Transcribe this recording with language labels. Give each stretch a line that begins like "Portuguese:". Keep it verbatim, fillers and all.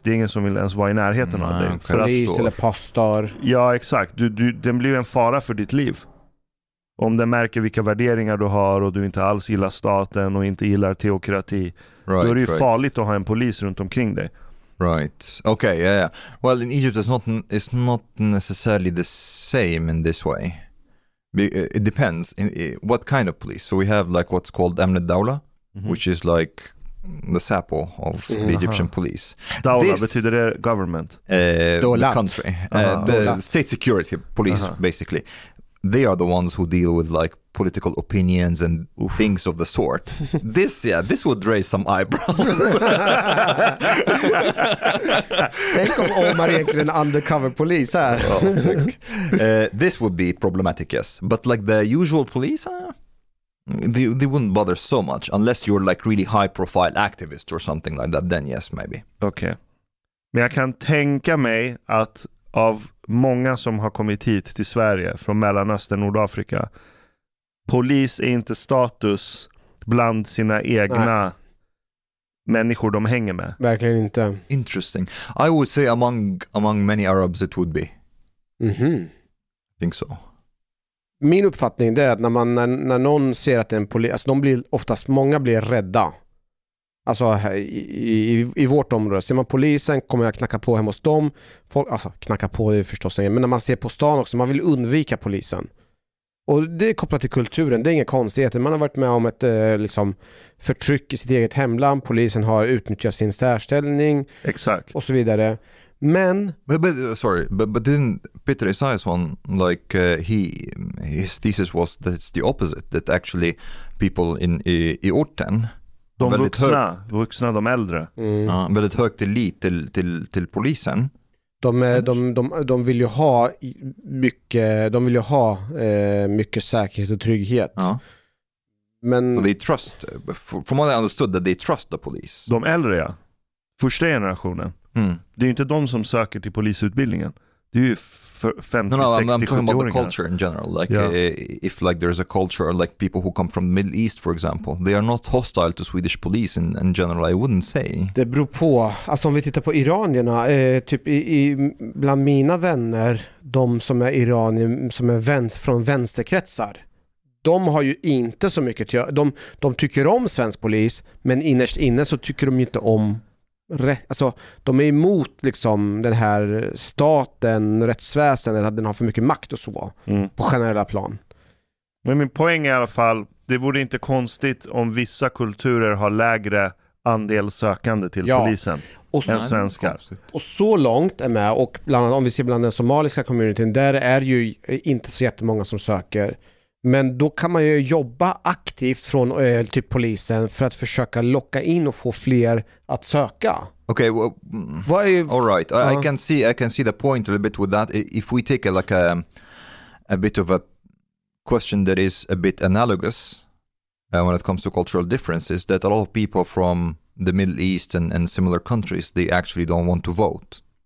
Swedish: Det är ingen som vill ens vara i närheten mm, av dig. För polis att, eller pastor. Ja, exakt. Du, du, den blir en fara för ditt liv. Om den märker vilka värderingar du har och du inte alls gillar staten och inte gillar teokrati, right, då är det ju right. farligt att ha en polis runt omkring dig.
English: Right. Okay, yeah, yeah. Well, in Egypt it's not, it's not necessarily the same in this way. It depends in what kind of police. So we have like what's called Amn al-Dawla, mm-hmm. which is like the SAPO of the uh-huh. Egyptian police.
Swedish: Dawla
English: this,
Swedish: betyder det government?
English: Uh, the country. Uh-huh. Uh, the Dolat. State security police, uh-huh. basically. They are the ones who deal with like political opinions and Oof. things of the sort. This, yeah, this would raise some eyebrows.
Swedish: Tänk om Omar egentligen undercover police här.
English: Well, uh, this would be problematic, yes. But like the usual police, uh, they, they wouldn't bother so much unless you're like really high profile activist or something like that. Then yes, maybe.
Swedish: Okej. Okay. Men jag kan tänka mig att av många som har kommit hit till Sverige från Mellanöstern, Nordafrika, polis är inte status bland sina egna Nej. människor de hänger med. Verkligen inte.
English: Interesting. I would say among, among many Arabs it would be. Mhm. I think so.
Swedish: Min uppfattning är att när, man, när, när någon ser att en polis, alltså de blir oftast, många blir rädda. Alltså i, i, i vårt område ser man polisen, kommer jag knacka på hemma hos dem. Folk, alltså knacka på det förstås ingen, men när man ser på stan också, man vill undvika polisen. Och det är kopplat till kulturen, det är inga konstigheter. Man har varit med om ett eh, liksom, förtryck i sitt eget hemland, polisen har utnyttjat sin särställning. Exakt. Och så vidare. Men
English: but, but, uh, sorry, but, but didn't Peter Isaacson like uh, he his thesis was that it's the opposite, that actually people in i,
Swedish: i orten, de vuxna, hög, vuxna, de äldre. Mm. Ja, väldigt hög tillit till, till, till polisen. De, de, de, de vill ju ha mycket, de vill ju ha eh, mycket säkerhet och trygghet. Ja. Men
English: they trust, from what I understood, that they trust the police.
Swedish: De äldre, ja. Första generationen. Mm. Det är ju inte de som söker till polisutbildningen. Det är ju femtio sextio sjuttio-åringar.
English: No, no, I'm, I'm talking about the culture in general. Like yeah. uh, if like there's a culture, like people who come from the Middle East, for example, they are not hostile to Swedish police in, in general, I wouldn't say.
Swedish: Det beror på. Alltså om vi tittar på iranierna, eh, typ i, i, bland mina vänner, de som är iranier, som är vänster, från vänsterkretsar, de har ju inte så mycket till, de, de tycker om svensk polis, men innerst inne så tycker de ju inte om. Alltså, de är emot liksom, den här staten, rättsväsendet, att den har för mycket makt och så mm. på generella plan. Men min poäng är i alla fall, det vore inte konstigt om vissa kulturer har lägre andel sökande till ja. polisen och än svenskar. Och så långt är med, och bland annat om vi ser bland den somaliska communityn, där är ju inte så jättemånga som söker. Men då kan man ju jobba aktivt från eh, typ polisen för att försöka locka in och få fler att söka.
English: Okay, well, if, all right. Uh, I can see I can see the point a little bit with that. If we take a, like a a bit of a question that is a bit analogous uh, when it comes to cultural differences, that a lot of people from the Middle East and, and similar countries, they actually don't want to vote.